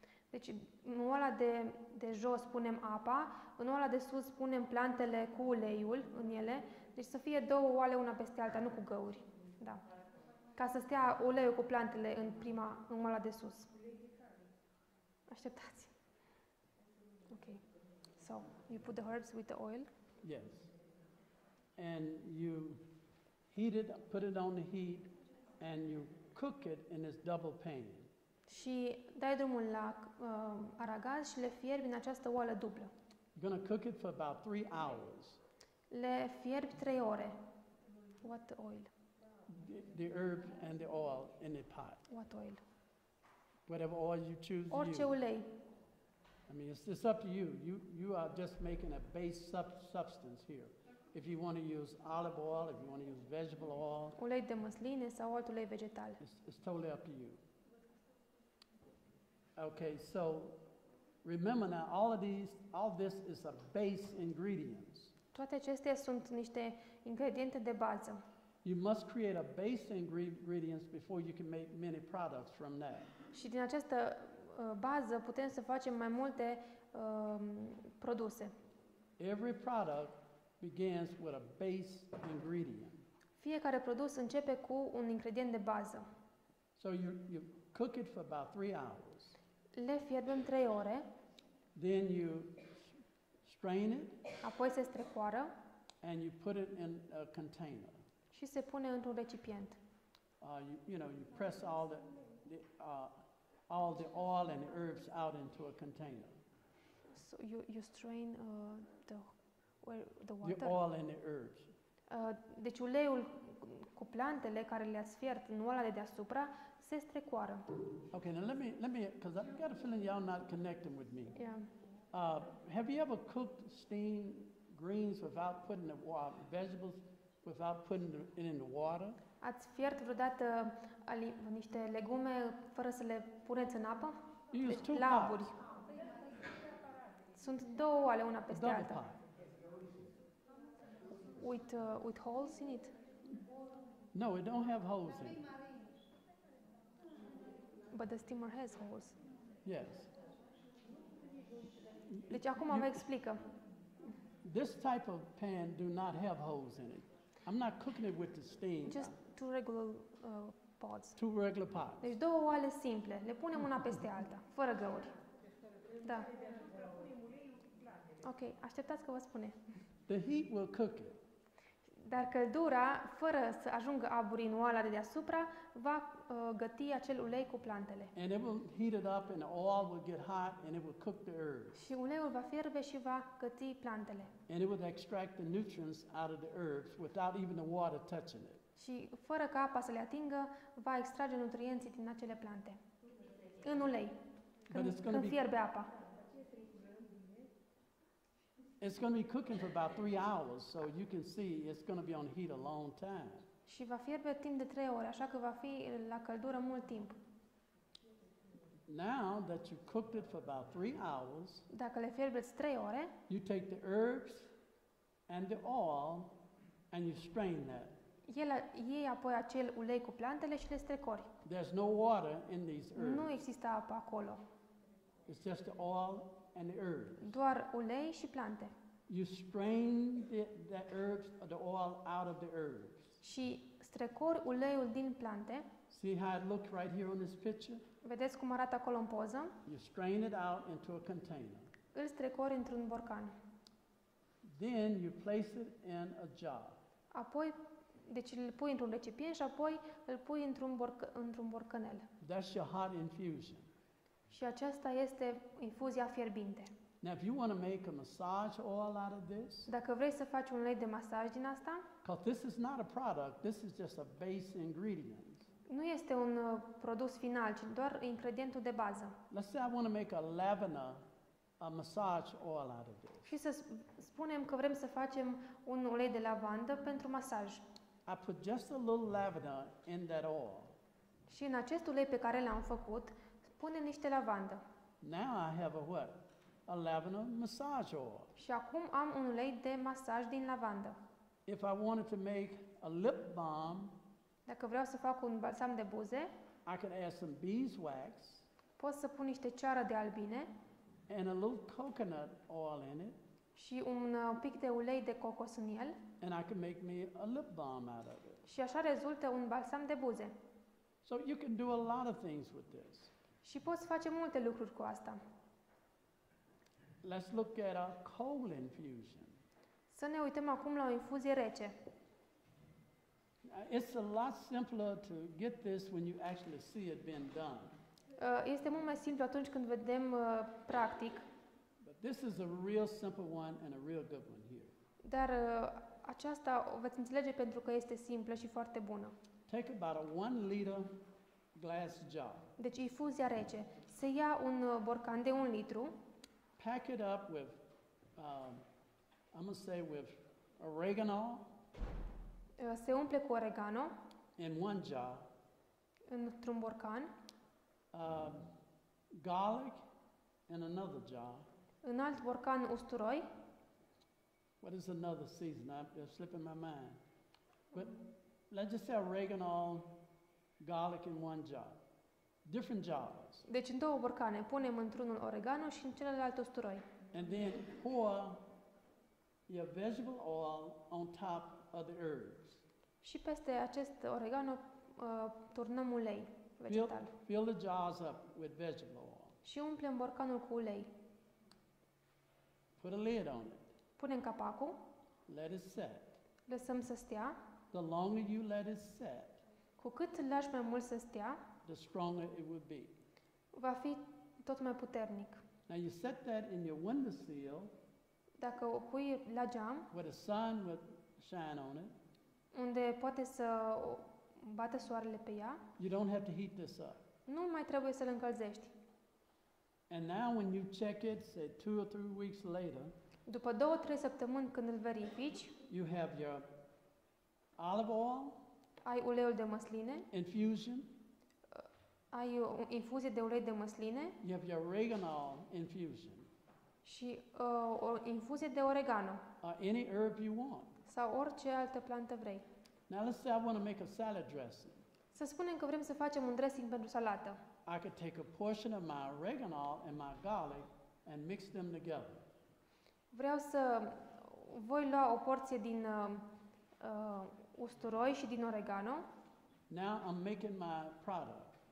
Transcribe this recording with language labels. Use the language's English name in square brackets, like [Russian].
[Romanian] Deci în oala de jos punem apa, în oala de sus punem plantele cu uleiul în ele. Deci să fie două oale una peste alta, nu cu găuri. Da. Ca să stea uleiul cu plantele în oala de sus. Așteptați. Ok. [English] So, you put the herbs with the oil? Yes. And you heat it, put it on the heat and you cook it in this double pan. [Romanian] Și dai drumul la aragaz și le fierbi în această oală dublă. [English] You're going to cook it for about 3 hours. [Romanian] Le fierbi 3 ore. [English] What oil? The herb and the oil in the pot. What oil? Whatever oil you choose. [Romanian] Orice ulei. [English] I mean, it's up to you. You are just making a base substance here. If you want to use olive oil, if you want to use vegetable oil. [Romanian] Ulei de măsline sau alt ulei vegetal. [English] It's totally up to you. Okay, so remember now, all this is a base ingredients. [Romanian] Toate acestea sunt niște ingrediente de bază. [English] You must create a base ingredients before you can make many products from that. [Romanian] Și din această bază putem să facem mai multe produse. [English] Every product begins with a base ingredient. [Romanian] Fiecare produs începe cu un ingredient de bază. [English] So you cook it for about 3 hours. [Romanian] Le fierbem 3 ore. [English] Then you strain it. [Romanian] Apoi se strecoară. [English] And you put it in a container. [Romanian] Și se pune într-un recipient. [English] You press all the oil and the herbs out into a container. So you strain the water. The oil and the herbs. [Romanian] Deci uleiul cu plantele care le-ați fiert în oala de deasupra se strecoară. [English] Okay, now let me, because I've got a feeling y'all not connecting with me. Yeah. Have you ever cooked steamed greens without putting the water, vegetables without putting it in the water? [Romanian] Ați fiert vreodată niște legume fără să le puneți în apă? [English] You use two pots. [Romanian] Sunt două oale una peste [English] double [Romanian] alta. [English] Pot. With holes in it? No, it don't have holes in it. But the steamer has holes. Yes. [Romanian] Deci acum vă explică. [English] This type of pan do not have holes in it. I'm not cooking it with the steam. Just two regular pots. Two regular pots. [Romanian] Deci două oale simple. Le punem una peste alta, fără găuri. Da. Ok, așteptați că vă spune. [English] The heat will cook it. [Romanian] Dar căldura, fără să ajungă aburi în oala de deasupra, va găti acel ulei cu plantele. [English] And it will heat it up and the oil will get hot and it will cook the herbs. [Romanian] Și uleiul va fierbe și va găti plantele. [English] And it will extract the nutrients out of the herbs without even the water touching it. [Romanian] Și fără ca apa să le atingă, va extrage nutrienții din acele plante. În ulei. Când fierbe apa. [English] It's going to be cooking for about 3 hours, so you can see it's going to be on heat a long time. [Romanian] Și va fierbe timp de 3 ore, așa că va fi la căldură mult timp. [English] Now that you cooked it for about 3 hours, [Romanian] dacă le fierbeți 3 ore, [English] you take the herbs and the oil and you strain that. [Romanian] Iei apoi acel ulei cu plantele și le strecori. [English] There's no water in these herbs. [Romanian] Nu există apă acolo. [English] It's just the oil and the herbs. [Romanian] Doar ulei și plante. [English] You strain the herbs or the oil out of the herbs. [Romanian] Și strecori uleiul din plante. [English] See how it looked right here on this picture? [Romanian] Vedeți cum arată acolo în poză? [English] You strain it out into a container. [Romanian] Îl strecori într-un borcan. [English] Then you place it in a jar. [Romanian] Apoi, deci îl pui într-un recipient și apoi îl pui într-un borcanel. [English] That's your hot infusion. [Romanian] Și aceasta este infuzia fierbinte. [English] Now, if you want to make a massage oil out of this, [Romanian] dacă vrei să faci un ulei de masaj din asta, [English] because this is not a product, this is just a base ingredient. [Romanian] Nu este un produs final, ci doar ingredientul de bază. [English] Let's say I want to make a lavender, a massage oil out of this. [Romanian] Și să spunem că vrem să facem un ulei de lavandă pentru masaj. [English] I put just a little lavender in that oil. [Romanian] Și în acest ulei pe care l-am făcut, punem niște lavandă. [English] Now I have a what? A lavender massage oil. [Romanian] Și acum am un ulei de masaj din lavandă. [English] If I wanted to make a lip balm, [Romanian] dacă vreau să fac un balsam de buze, [English] I could add some beeswax. [Romanian] Pot să pun niște ceară de albine. [English] And a little coconut oil in it. [Romanian] Și un pic de ulei de cocos în el. [English] And I could make me a lip balm out of it. [Romanian] Și așa rezultă un balsam de buze. [English] So you can do a lot of things with this. [Romanian] Și poți face multe lucruri cu asta. [English] Let's look at a cold infusion. [Romanian] Să ne uităm acum la o infuzie rece. [English] It's a lot simpler to get this when you actually see it being done. [Romanian] Este mult mai simplu atunci când vedem practic. [English] But this is a real simple one and a real good one here. [Romanian] Dar aceasta o veți înțelege pentru că este simplă și foarte bună. [English] Take about a 1 liter glass jar. [Romanian] Deci infuzia rece. Se ia un borcan de 1 litru. [English] Pack it up with, with oregano. [Romanian] Se umple cu oregano. [English] In one jar. [Romanian] Într-un borcan. [English] Garlic in another jar. [Romanian] În alt borcan usturoi. [English] What is another season? I'm slipping my mind. But let's just say oregano, garlic in one jar. Different jars. [Romanian] Deci în două borcane, punem într-unul oregano și în celălalt usturoi. [English] And then pour your vegetable oil on top of the herbs. [Romanian] Și peste acest oregano turnăm ulei vegetal. [English] Fill the jars up with vegetable oil. [Romanian] Și umplem borcanul cu ulei. [English] Put a lid on it. [Romanian] Punem capacul. [English] Let it set. [Romanian] Lăsăm să stea. [English] The longer you let it set. [Romanian] Cu cât îl lași mai mult să stea, [English] the stronger it would be. [Romanian] Va fi tot mai puternic. [English] Now you set that in your window sill. [Romanian] Dacă o pui la geam, [English] where the sun would shine on it. [Romanian] Unde poate să bată soarele pe ea. [English] You don't have to heat this up. [Romanian] Nu mai trebuie să-l încălzești. [English] And now when you check it, say 2 or 3 weeks later. [Romanian] După 2-3 săptămâni când îl verifici, [English] you have your olive oil. [Romanian] Ai uleiul de măsline. [English] Infusion. [Romanian] Ai o infuzie de ulei de măsline. [English] You have your oregano infusion. [Romanian] Și o infuzie de oregano. [English] Any herb you want. [Romanian] Sau orice altă plantă vrei. [English] Now let's say I want to make a salad dressing. [Romanian] Să spunem că vrem să facem un dressing pentru salată. [English] I could take a portion of my oregano and my garlic and mix them together. [Romanian] Vreau să voi lua o porție din usturoi și din oregano. [English] Now I'm making my product.